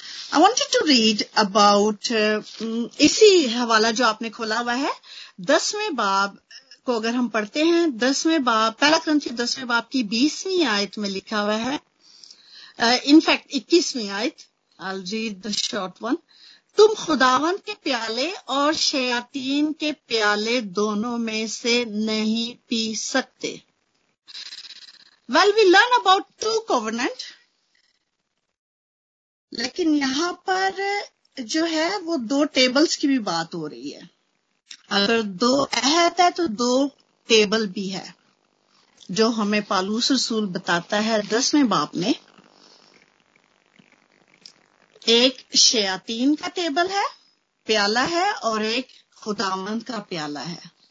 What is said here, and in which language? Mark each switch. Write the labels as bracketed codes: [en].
[en] I wanted to read about [ur] اسی حوالہ جو آپ نے کھولا ہوا ہے, 10 باب کو اگر ہم پڑھتے ہیں, 10 باب پہلا کرنتھیوں 10 باب کی 20 آیت میں لکھا ہوا ہے, انفیکٹ 21 آیت, [en] I read the short one, [ur] تم خداوند کے پیالے اور شیاطین کے پیالے دونوں میں سے نہیں پی سکتے. [en] Well, we learn about two covenant. [ur] لیکن یہاں پر جو ہے وہ دو ٹیبلز کی بھی بات ہو رہی ہے. اگر دو عہد ہے تو دو ٹیبل بھی ہے. جو ہمیں پالوس رسول بتاتا ہے دسویں باب میں، ایک شیاطین کا ٹیبل ہے، پیالہ ہے، اور ایک خداوند کا پیالہ ہے.